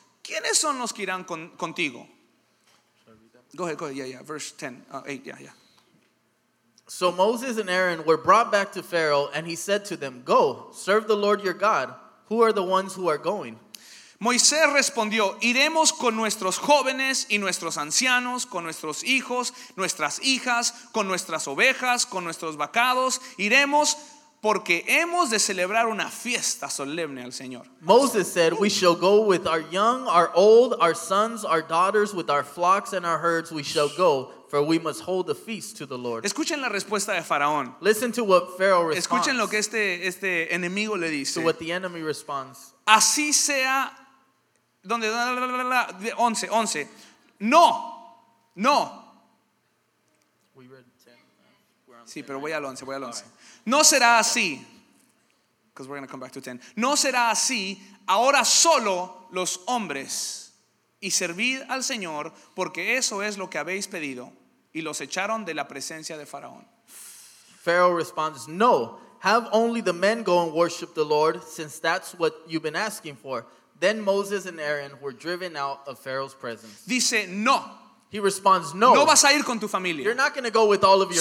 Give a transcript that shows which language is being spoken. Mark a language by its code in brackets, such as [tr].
[es] ¿Quiénes son los que irán contigo? [en] Go ahead, verse 10, 8, So Moses and Aaron were brought back to Pharaoh, and he said to them, go, serve the Lord your God. Who are the ones who are going? [es] Moisés respondió, iremos con nuestros jóvenes y nuestros ancianos, con nuestros hijos, nuestras hijas, con nuestras ovejas, con nuestros vacados. Iremos porque hemos de celebrar una fiesta solemne al Señor. [en] Moses said, we shall go with our young, our old, our sons, our daughters, with our flocks and our herds, we shall go. For we must hold a feast to the Lord. [es] Escuchen la respuesta de Faraón. [en] Listen to what Pharaoh responds. [es] Escuchen lo que este enemigo le dice. [en] To what the enemy responds. [es] Así sea, donde, 11. No. [en] We read 10. [es] Sí, pero voy al 11. No será así. [en] Because we're going to come back to 10. [es] No será así, ahora solo los hombres. Y servid al Señor, porque eso es lo que habéis pedido. Y los echaron de la presencia de Faraón. [en] Pharaoh responds, no, have only the men go and worship the Lord, since that's what you've been asking for. Then Moses and Aaron were driven out of Pharaoh's presence. [es] Dice, no. [en] He responds, no. [es] No vas a ir con tu familia. [en] You're not going to go with all of your